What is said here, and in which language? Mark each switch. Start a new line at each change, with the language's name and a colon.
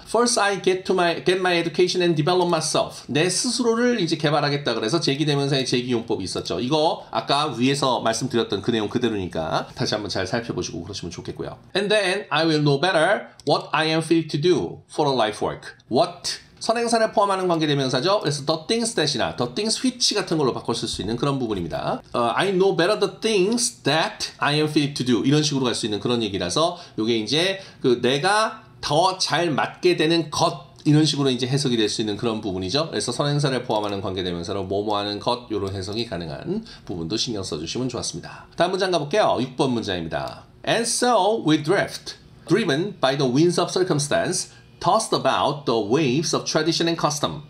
English: First I get my education and develop myself.
Korean: 내 스스로를 이제 개발하겠다 그래서 제기대명사의 제기용법이 있었죠. 이거 아까 위에서 말씀드렸던 그 내용 그대로니까 다시 한번 잘 살펴보시고 그러시면 좋겠고요.
English: And then I will know better what I am fit to do for a life work. What?
Korean: 선행사를 포함하는 관계대명사죠. 그래서
English: the things that
Korean: 이나
English: the things which
Korean: 같은 걸로 바꿔 쓸 수 있는 그런 부분입니다.
English: I know better the things that I am fit to do
Korean: 이런 식으로 갈 수 있는 그런 얘기라서 이게 이제 그 내가 더 잘 맞게 되는 것 이런 식으로 이제 해석이 될 수 있는 그런 부분이죠. 그래서 선행사를 포함하는 관계대명사로 뭐뭐하는 것 이런 해석이 가능한 부분도 신경 써주시면 좋았습니다. 다음 문장 가볼게요. 6번 문장입니다.
English: And so we drift, driven by the winds of circumstance. Tossed about the waves of tradition and custom.